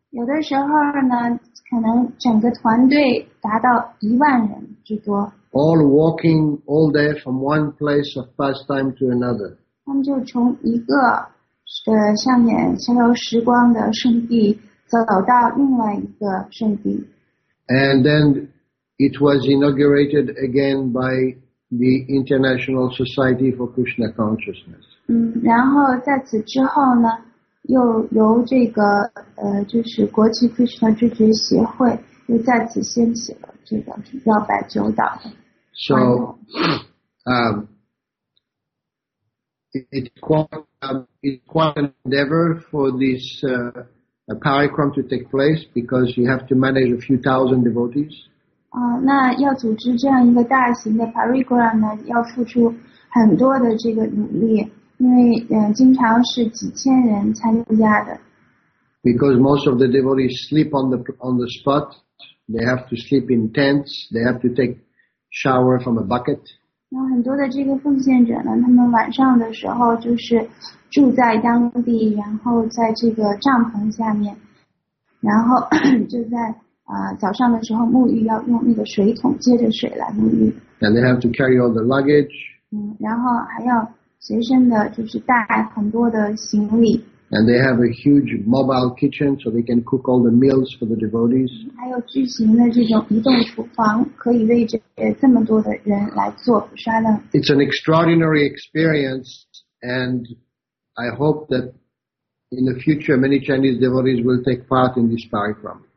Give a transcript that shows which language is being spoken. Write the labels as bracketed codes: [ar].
[zh] 有的时候呢，可能整个团队达到一万人之多。 [en] All walking all day from one place of pastime to another. [zh] 他们就从一个上面逍遥时光的圣地走到另外一个圣地。 [en] And then it was inaugurated again by the International Society for Krishna Consciousness. [zh] 然后在此之后呢？又由这个就是国际 Krishna 知觉协会又再次掀起了这个绕拜九岛。 [en] So, it's quite an endeavor for this parikrama to take place because you have to manage a few thousand devotees. [zh] 那要组织这样一个大型的 parikrama 呢，要付出很多的这个努力。因为经常是几千人参加的。 [en] Because most of the devotees sleep on the spot, they have to sleep in tents, they have to take shower from a bucket. [zh] 那很多的这个奉献者呢，他们晚上的时候就是住在当地，然后在这个帐篷下面，然后就在早上的时候沐浴，要用那个水桶接着水来沐浴。 [en] And they have to carry all the luggage. [zh] 然后还要。随身的就是带很多的行李。 [en] And they have a huge mobile kitchen, so they can cook all the meals for the devotees. [zh] 还有巨型的这种移动厨房，可以为这么多的人来做普沙楞。 [en] It's an extraordinary experience, and I hope that in the future many Chinese devotees will take part in this parikrama.